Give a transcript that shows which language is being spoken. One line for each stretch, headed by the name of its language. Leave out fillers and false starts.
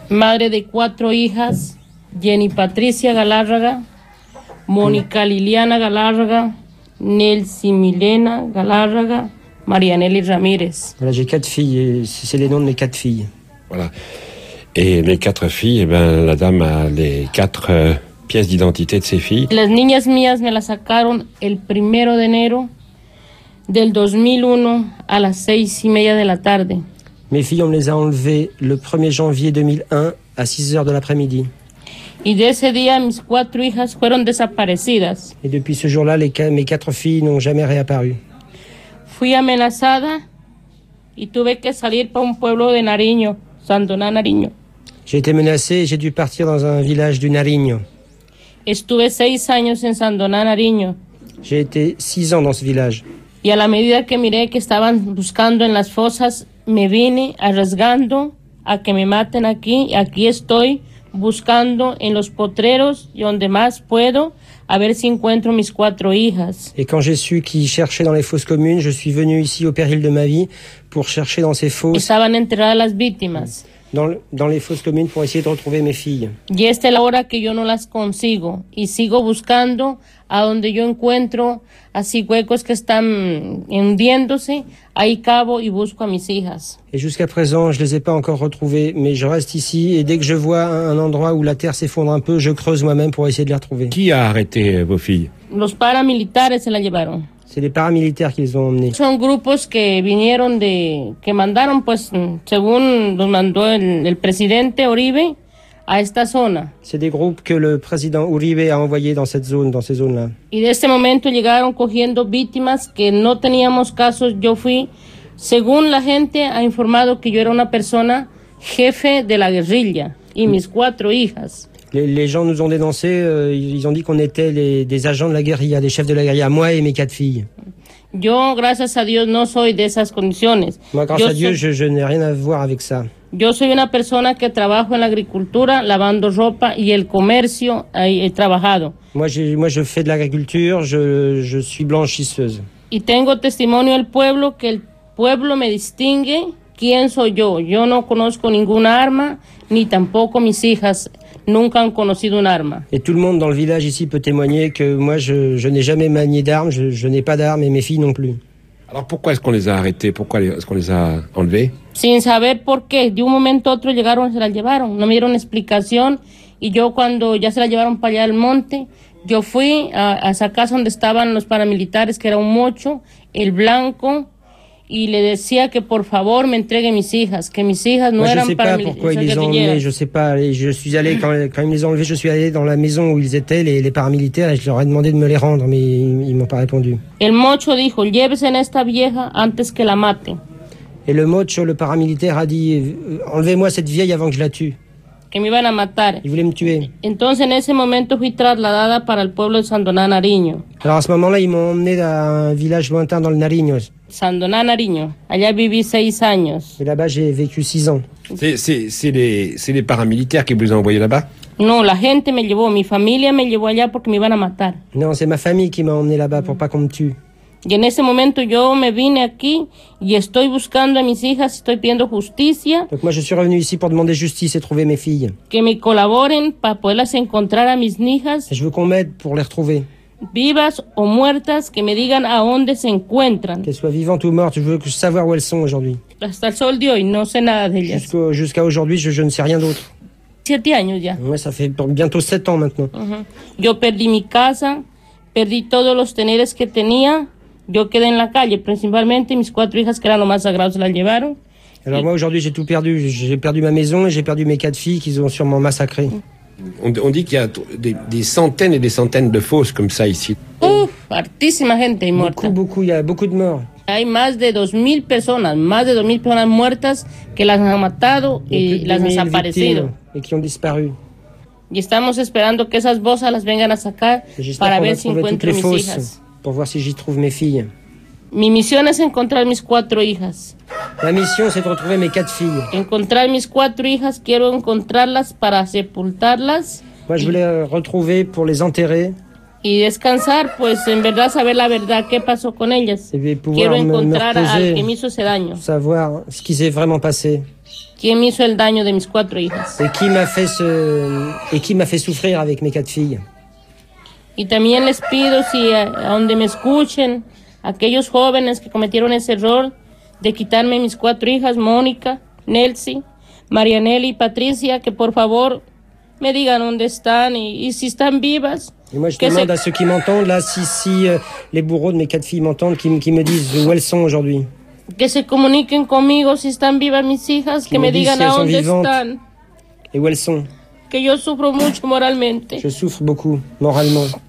Spanish: Madre de 4 hijas, Jenny Patricia Galárraga, Mónica Liliana Galárraga, Nelsie Milena Galárraga, Marianelli Ramírez.
French: Voilà, j'ai 4 filles, c'est les noms de mes 4 filles. Voilà. Et mes 4 filles, la dame a les 4... pièce d'identité de ses filles.
Spanish: Las niñas mías me la sacaron el primero de enero del 2001 a las 6:30 de la tarde.
French: Mes filles, on me les a enlevées le 1er janvier 2001 à 6:00 de l'après-midi.
Spanish: Y de ese día mis 4 hijas fueron desaparecidas.
French: Et depuis ce jour-là, mes 4 filles n'ont jamais réapparu.
Spanish: Fui amenazada y tuve que salir para un pueblo de Nariño, San Donán Nariño.
French: J'ai été menacée et j'ai dû partir dans un village du Nariño.
Spanish: Estuve 6 años en San Donán Nariño.
French: J'ai été 6 ans dans ce village.
Spanish: Y a la medida que miré que estaban buscando en las fosas, me vine arriesgando a que me maten aquí. Y aquí estoy buscando en los potreros y donde más puedo a ver si encuentro mis 4 hijas.
French: Et quand j'ai su qu'ils cherchaient dans les fosses communes, je suis venu ici au péril de ma vie pour chercher dans ces fosses.
Spanish: Estaban enterradas las víctimas.
French: dans les fosses communes pour essayer de retrouver mes filles.
Spanish: Y esta es la hora que yo no las consigo y sigo buscando a donde yo encuentro así huecos que están hundiéndose, ahí cavo y busco a mis hijas.
French: Et jusqu'à présent, je les ai pas encore retrouvées, mais je reste ici et dès que je vois un endroit où la terre s'effondre un peu, je creuse moi-même pour essayer de les retrouver. Qui a arrêté vos filles?
Spanish: Los paramilitares se la llevaron.
French: C'est les paramilitaires qui les ont emmenés.
Spanish: Son grupos que vinieron de que mandaron pues según nos mandó el presidente Uribe a esta zona.
French: C'est des groupes que le président Uribe a envoyé dans cette zone, dans ces zones-là.
Spanish: Y de este momento llegaron cogiendo víctimas que no teníamos casos. Yo fui, según la gente ha informado que yo era una persona jefe de la guerrilla y mis cuatro hijas.
French: Les gens nous ont dénoncé, ils ont dit qu'on était des agents de la guérilla, des chefs de la guérilla, moi et mes quatre filles.
Spanish: Yo, gracias a Dios, no soy de esas condiciones.
French: Moi, grâce à Dieu, je n'ai rien à voir avec ça.
Spanish: Yo soy una persona que trabajo en la agricultura, lavando ropa y el comercio he trabajado.
French: Moi, je fais de l'agriculture, je suis blanchisseuse.
Spanish: Y tengo testimonio del pueblo, que el pueblo me distingue quién soy yo. Yo no conozco ninguna arma, ni tampoco mis hijas. Nunca han conocido un arma.
French: Et tout le monde dans le village ici peut témoigner que moi je n'ai jamais manié d'armes, je n'ai pas d'armes et mes filles non plus. Alors pourquoi est-ce qu'on les a arrêtés? Pourquoi est-ce qu'on les a enlevés?
Spanish: Sin saber por qué, de un momento a otro llegaron y se la llevaron. No me dieron explicación y yo cuando ya se la llevaron para allá al monte, yo fui a esa casa donde estaban los paramilitares que era un mocho, el blanco. Y le decía que por favor me entregue mis hijas, que mis hijas no eran para mí.
French: Pourquoi ils les ont emmenés, je sais pas. Je suis allé quand ils les ont enlevés, je suis allé dans la maison où ils étaient les paramilitaires et je leur ai demandé de me les rendre, mais ils m'ont pas répondu.
Spanish: El mocho dijo, llévese en esta vieja antes que la mate.
French: Et le mocho, le paramilitaire a dit, enlevez-moi cette vieille avant que je la tue.
Spanish: Que me iban a matar.
French: Ils voulaient me tuer.
Spanish: Entonces en ese momento fui trasladada para el pueblo de San Donán Nariño.
French: Alors à ce moment-là, ils m'ont emmené dans un village lointain dans le Nariño.
Spanish: San Donán Nariño. Allá viví 6 años.
French: Et là-bas, j'ai vécu 6 ans. C'est les paramilitaires qui vous ont envoyé là-bas?
Spanish: Non, la gente me llevó, mi familia me llevó allá porque me iban a matar.
French: Non, c'est ma famille qui m'a emmené là-bas pour pas qu'on me tue.
Spanish: Y en ese momento yo me vine aquí y estoy buscando a mis hijas, estoy pidiendo justicia.
French: Donc moi je suis revenu ici pour demander justice et trouver mes filles.
Spanish: Que me colaboren para poderlas encontrar a mis hijas.
French: Je veux qu'on m'aide pour les retrouver.
Spanish: Vivas o muertas, que me digan a dónde se encuentran.
French: Qu'elles soient vivantes ou mortes, je veux savoir où elles sont aujourd'hui.
Spanish: Hasta el sol de hoy no sé nada de ellas.
French: Jusqu'à aujourd'hui je ne sais rien d'autre.
Spanish: 7 años ya.
French: Ouais, ça fait bientôt 7 ans maintenant.
Spanish: Yo perdí mi casa, perdí todos los tenedores que tenía. Yo quedé en la calle, principalmente mis cuatro hijas que eran lo más sagrado se las llevaron.
French: Alors moi aujourd'hui j'ai tout perdu, j'ai perdu ma maison et j'ai perdu mes quatre filles qu'ils ont sûrement massacré. On dit qu'il y a des centaines et des centaines de fosses comme ça ici.
Spanish: Ouf, hartísima gente muerta.
French: Beaucoup, il y a beaucoup de morts.
Spanish: Hay más de 2000 personas muertas que las han matado y las han desaparecido.
French: Et qui ont disparu.
Spanish: Y estamos esperando que esas bosas las vengan a sacar para ver si encuentro mis hijas.
French: Pour voir si j'y trouve mes filles.
Spanish: Mi misión es encontrar mis cuatro hijas.
French: Ma mission c'est de retrouver mes quatre filles.
Spanish: Encontrar mis cuatro hijas, quiero encontrarlas para sepultarlas.
French: Moi je voulais retrouver pour les enterrer.
Spanish: Y descansar, pues en verdad saber la verdad qué pasó con ellas. Quiero encontrar al que me hizo ese daño.
French: Savoir ce qui s'est vraiment passé.
Spanish: ¿Quién me hizo el daño de mis cuatro hijas?
French: Et qui m'a fait souffrir avec mes quatre filles.
Spanish: Y también les pido si a donde me escuchen aquellos jóvenes que cometieron ese error de quitarme mis cuatro hijas, Mónica, Nelsi, Marianela y Patricia, que por favor me digan dónde están y si están vivas.
French: Y moi je demande a ceux qui m'entendent là si les bourreaux de mes quatre filles m'entendent qui me disent où elles sont aujourd'hui.
Spanish: Que se comuniquen conmigo si están vivas mis hijas, que me digan si dónde están.
French: Et où elles sont.
Spanish: Que yo sufro mucho moralmente.
French: Je souffre beaucoup moralement.